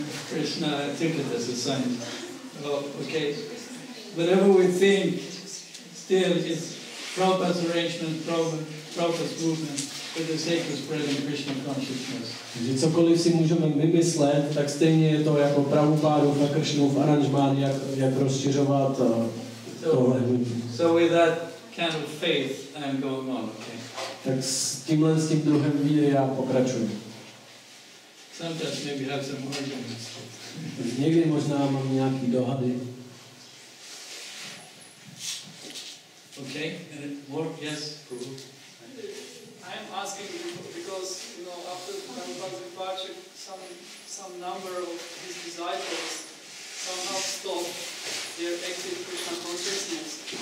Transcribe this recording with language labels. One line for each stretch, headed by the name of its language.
English: Krishna, I think it is a sign. Oh, okay. Whatever we think, still it's Prabhupada's arrangement, Prabhupada's movement. For the sake of spreading Krishna consciousness.
Czech: Že cokoliv si můžeme vymyslet, tak stejně je to jako Prabhupádův a Krishnův aranžmán, jak rozšiřovat tohle.
English: So with that kind of faith, I'm going on, okay.
Czech: Tak s tímhle, s tím druhem víry já pokračuju.
English: Sometimes maybe have some arguments.
Czech: Někdy možná mám nějaký dohady.
English: Okay, and it worked, yes, Prabhu. I'm asking you because, you know, after Prabhupada's departure, some number of his disciples somehow stopped their active Krishna consciousness.